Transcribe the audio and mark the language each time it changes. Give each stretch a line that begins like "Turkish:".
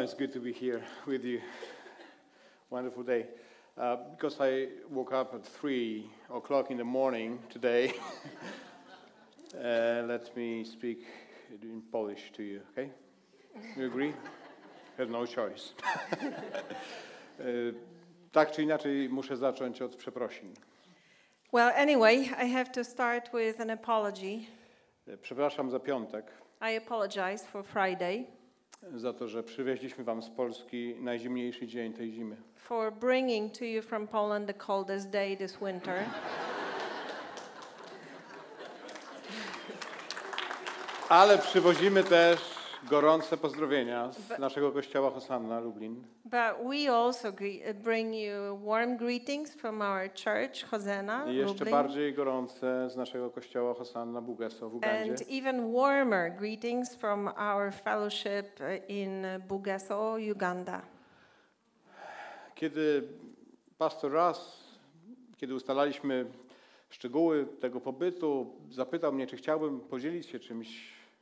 English: Oh, it's good to be here with you. Wonderful day. Because I woke up at 3 o'clock in the morning today, let me speak in Polish to you, okay? You agree? Have no choice.
Polish: Tak czy inaczej, muszę zacząć od przeprosin.
English: Well, anyway, I have to start with an apology.
Polish: Przepraszam za piątek.
English: I apologize for Friday.
Polish: Za to, że przywieźliśmy wam z Polski najzimniejszy dzień tej zimy.
English: For bringing to you from Poland the coldest day this winter.
Polish: Ale przywozimy też gorące pozdrowienia z naszego kościoła Hosanna Lublin.
English: But we also bring you warm greetings from our church Hosanna Lublin.
Polish: I jeszcze bardziej gorące z naszego kościoła Hosanna Bugeso w Ugandzie.
English: And even warmer greetings from our fellowship in Bugeso, Uganda.
Polish: Kiedy pastor Russ, kiedy ustalaliśmy szczegóły tego pobytu, zapytał mnie, czy chciałbym podzielić się czymś.